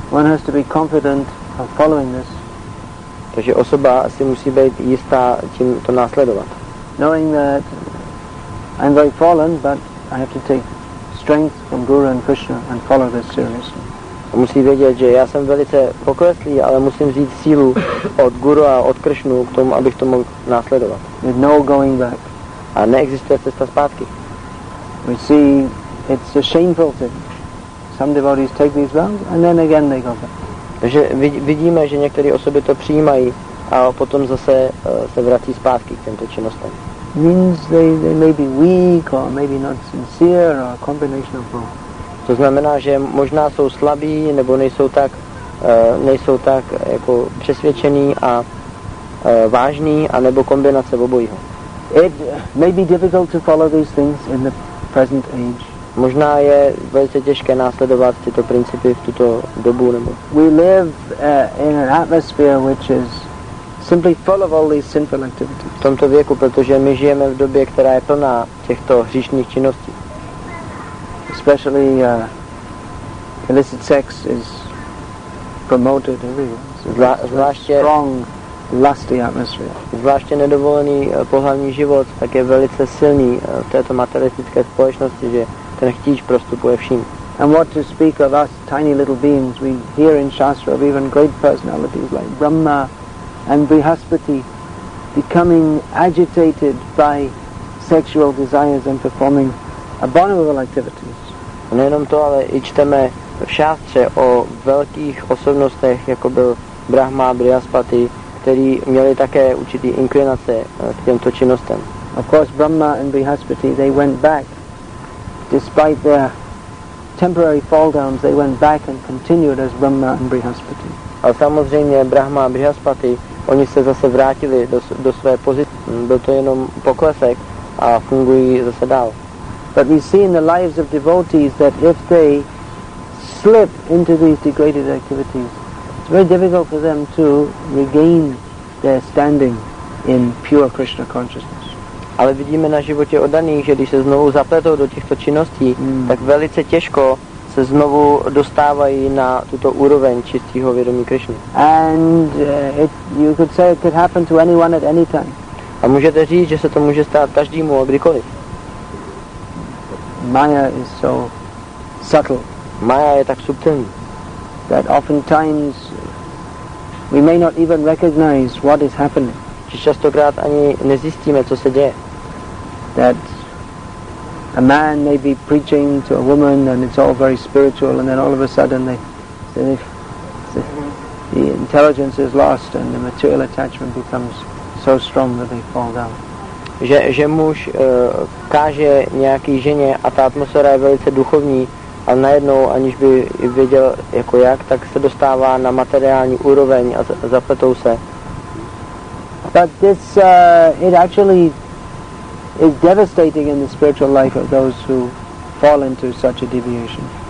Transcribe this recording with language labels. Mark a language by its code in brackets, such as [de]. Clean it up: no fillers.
[en] One has to be confident of following this. [cs] Takže osoba si musí být jistá tím to následovat. [en] Knowing that I'm very fallen, but I have to take strength from Guru and Krishna and follow this seriously. [cs] Musí vědět, že já jsem velice pokleslý, ale musím vzít sílu od Guru a od Krishnu k tomu, abych to mohl následovat. [en] With no going back. [cs] a neexistuje cesta zpátky. [en] We see it's a shameful thing. Some devotees take these vows and then again they go back. [cs] Takže vidíme, že některé osoby to přijímají a potom zase se vrací zpátky k těmto činnostem. [en] Means they may be weak or maybe not sincere or a combination of both. [cs] To znamená, že možná jsou slabí nebo nejsou tak jako přesvědčení a vážní, a nebo kombinace obojího. [en] It may be difficult to follow these things in the present age. [cs] Možná je velice těžké následovat tyto principy v tuto dobu nebo. [en] We live in an atmosphere which is simply full of all these sinful activities. [cs] V tomto věku, protože my žijeme v době, která je plná těchto hříšných činností. [en] Especially illicit sex is promoted everywhere. Strong lusty atmosphere. [cs] Zvláště nedovolený pohlavní život tak je velice silný v této materialistické společnosti, že ten chtíč prostupuje vším. [en] And what to speak of us tiny little beings, we hear in Shastra of even great personalities like Brahma and Brihaspati becoming agitated by sexual desires and performing abominable activities. [cs] A nejenom to, ale i čteme v Šástře o velkých osobnostech, jako byl Brahma, Brihaspati, který měli také určitý inklinace k těmto činnostem. [en] Of course, Brahma and Brihaspati, they went back. Despite their temporary fall downs, they went back and continued as Brahma and Brihaspati. [cs] A samozřejmě Brahma a Brihaspati, oni se zase vrátili do své pozice. Byl to jenom poklesek a fungují zase dál. [en] But we see in the lives of devotees that if they slip into these degraded activities, it's very difficult for them to regain their standing in pure Krishna consciousness. [cs] Ale vidíme na životě oddaných, že když se znovu zapletou do těchto činností, tak velice těžko se znovu dostávají na tuto úroveň čistého vědomí Krišny. [en] And you could say it could happen to anyone at any time. [cs] A můžete říct, že se to může stát každému a kdykoliv. [en] Maya is so subtle. [cs] Maya je tak subtilní. [en] That oftentimes we may not even recognize what is happening. [cs] Že častokrát ani nezjistíme, co se děje. [en] That a man may be preaching to a woman and it's all very spiritual and then all of a sudden the intelligence is lost and the material attachment becomes so strong that they fall down. [cs] Že muž káže nějaký ženě a ta atmosféra je velice duchovní, ale najednou, aniž by věděl jako jak, tak se dostává na materiální úroveň a zapletou se. [en] But this it actually is devastating in the spiritual life of those who fall into such a deviation.